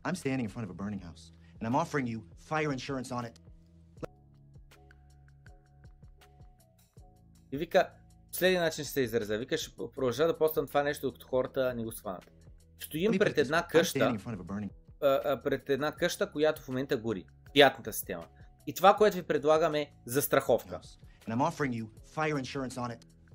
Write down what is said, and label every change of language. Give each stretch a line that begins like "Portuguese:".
English: I'm standing in front of a burning house. And I'm offering you fire insurance on it.
Bulgarian: И вика, последния начин ще се изразя. Вика, ще продължа да постам това нещо, докато хората не го схванат. Стоим пред една къща, пред една къща, която в момента гори. Пиятната система. И това, което ви предлагам, е застраховка.
English: And I'm offering you fire insurance on it.